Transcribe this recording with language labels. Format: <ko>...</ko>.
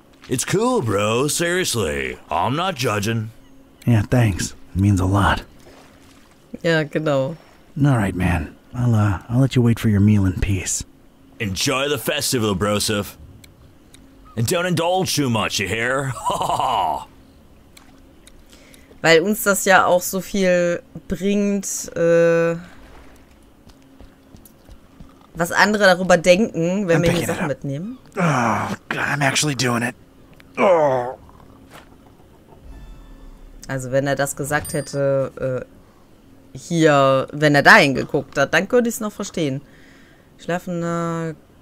<en>It's cool, bro, seriously. I'm not judging. Yeah, thanks. It means a lot.</en> <de>Yeah, genau.</de> <en>Alright, man. I'll let you wait for your meal in peace. Enjoy the festival, Brosif. And don't indulge too much, you hear?</en> <de>Weil uns das ja auch so viel bringt, was andere darüber denken, wenn wir die Sachen mitnehmen.</de> <en>Oh, God, I'm actually doing it. Oh.</en> <de>Also wenn er das gesagt hätte, hier, wenn er da hingeguckt hat, dann könnte ich es noch verstehen. Schlafender</de>